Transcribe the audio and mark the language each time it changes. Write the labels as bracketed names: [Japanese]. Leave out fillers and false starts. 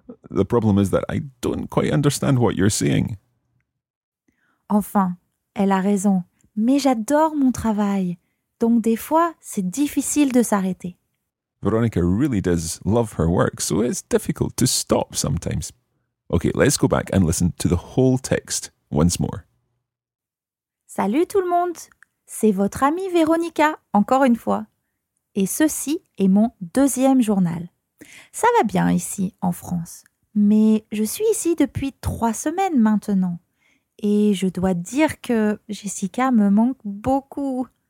[English] The problem is that I don't quite understand what you're saying. [French] Enfin, elle a raison. Mais j'adore mon travail. Donc des fois, c'est difficile de s'arrêter. [English] Veronica really does love her work, so it's difficult to stop sometimes. Okay, let's go back and listen to the whole text once more. [French] Salut tout le monde, c'est votre amie Veronica, encore une fois. Et ceci est mon deuxième journal. Ça va bien ici, en France. Mais je suis ici depuis 3 semaines maintenant. Et je dois dire que Jessica me manque beaucoup.